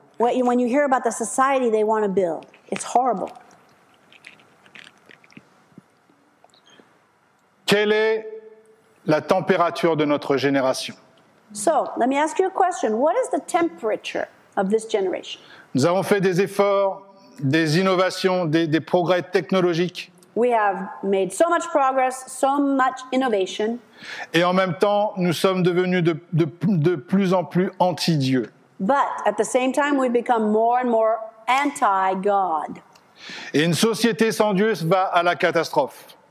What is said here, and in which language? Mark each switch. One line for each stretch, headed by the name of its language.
English: When you hear about the society they want to build, it's horrible.
French: Quelle est la température de notre génération?
English: So, let me ask you a question. What is the temperature of this generation?
French: Nous avons fait des efforts, des innovations, des progrès technologiques.
English: We have made so much progress, so much innovation.
French: Et en même temps, nous sommes devenus de plus en plus anti-Dieu.
English: But at the same time, we've become more and more anti-God.
French: Et une société sans Dieu va à la catastrophe.